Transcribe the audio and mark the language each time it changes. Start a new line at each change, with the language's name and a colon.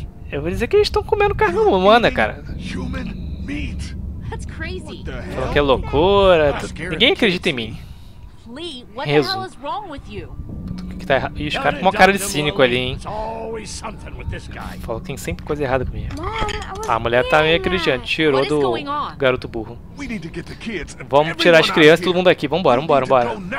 Portuguese: Eu vou dizer que eles estão comendo carne humana, cara.
English: Human meat. That's crazy.
Portuguese: Falou que é loucura. Ninguém acredita em mim.
English: Lee, what the hell is wrong with you?
Portuguese: Tá errado. E os caras com uma cara de cínico ali, hein? Falou que tem sempre coisa errada comigo. A mulher tá meio acreditando. Tirou do garoto burro. Vamos tirar as crianças e todo mundo aqui. Vambora, vambora, vambora.